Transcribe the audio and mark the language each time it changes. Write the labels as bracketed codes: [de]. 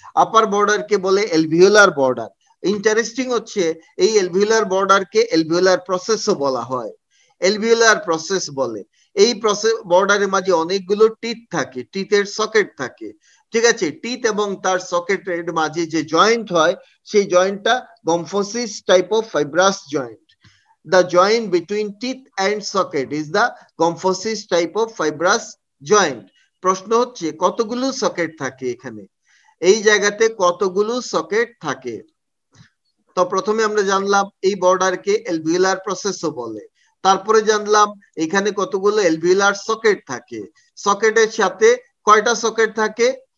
[bn] Upper border কে বলে এলভিওলার border. Interesting হচ্ছে এই এলভিওলার বর্ডার কে এলভিওলার প্রসেসও বলা হয়, এলভিওলার প্রসেস বলে। এই প্রসেস বর্ডারের মাঝে অনেকগুলো টিথ থাকে, টিথের সকেট থাকে, ঠিক আছে, টিথ এবং তার সকেটের মাঝে যে জয়েন্ট হয় সেই জয়েন্টটা গম্ফোসিস type of fibrous joint. [en] The joint between teeth and socket is the gomphosis type of fibrous joint. [bn] প্রশ্ন হচ্ছে কতগুলো সকেট থাকে এখানে, এই জায়গাতে কতগুলো সকেট থাকে? তো প্রথমে আমরা জানলাম এই বর্ডারকে এলভিওলার প্রসেসও বলে, তারপরে জানলাম এখানে কতগুলো এলভিওলার সকেট থাকে, সকেটের সাথে কয়টা সকেট থাকে।